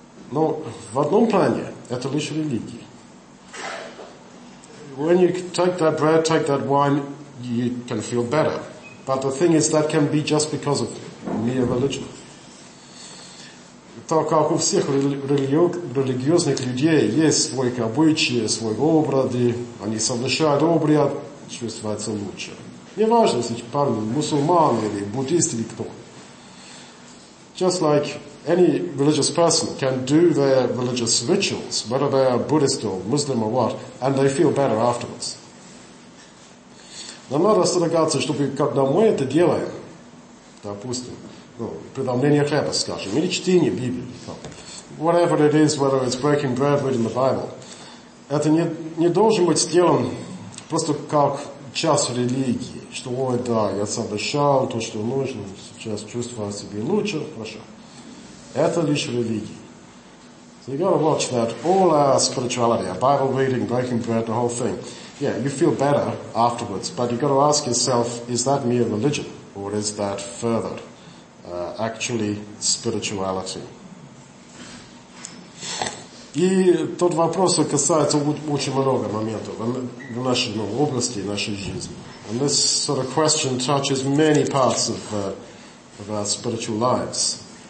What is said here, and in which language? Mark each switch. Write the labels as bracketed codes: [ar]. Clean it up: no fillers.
[ru] Но в одном плане это лишь религия. [en] When you take that bread, take that wine, you can feel better. But the thing is, that can be just because of mere religion. [ru] Так как у всех религиозных людей есть свои обычаи, свои обряды, они совершают обряд, чувствуется лучше. Не важно, если парни мусульман или буддист или кто. [en] Just like any religious person can do their religious rituals, whether they are Buddhist or Muslim or what, and they feel better afterwards. [ru] Нам надо остерегаться, чтобы когда мы это делаем, допустим, ну, преломление хлеба, скажем, или чтение Библии, [en] whatever it is, whether it's breaking bread, reading the Bible, [ru] это не должен быть сделан просто как час религии, что, ой, да, я совершал то, что нужно, сейчас чувствую себя лучше, хорошо. Это лишь религия. [en] So you gotta watch that, all our spirituality, our Bible reading, breaking bread, the whole thing. Yeah, you feel better afterwards, but you gotta ask yourself, is that mere religion, or is that further, actually spirituality? [ru] И тот вопрос касается очень много моментов в нашей, ну, области, в нашей жизни. [en] And this sort of question touches many parts of our spiritual lives.